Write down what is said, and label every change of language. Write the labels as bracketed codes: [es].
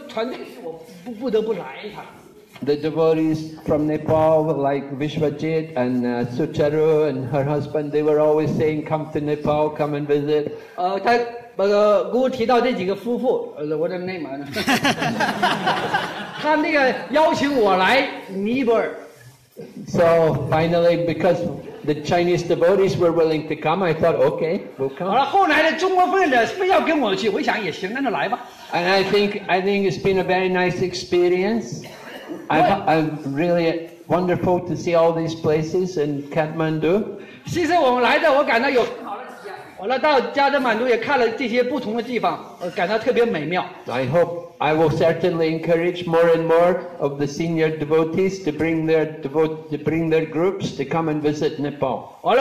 [zh] 其实我个人呐，就不想来算了。但是，我有这个中国团队，我不得不来一趟。The [en] devotees from Nepal, like Vishwajit and Sucharu and her husband, they were always saying, "Come to Nepal, come and visit." [zh] 他那个姑提到这几个夫妇， [en] what's their name? [zh] 他那个邀请我来尼泊尔。 [en] So finally, because the Chinese devotees were willing to come, I thought, okay, we'll come. [zh] 好了，后来的中国奉献者非要跟我去，我想也行，那就来吧。 [en] And I think it's been a very nice experience. I'm really wonderful to see all these places in Kathmandu. [zh] 其实我们来的，我感到有。我来到加德满都也看了这些不同的地方，感到特别美妙。 [en] I hope I will certainly encourage more and more of the senior devotees to bring their groups to come and visit Nepal.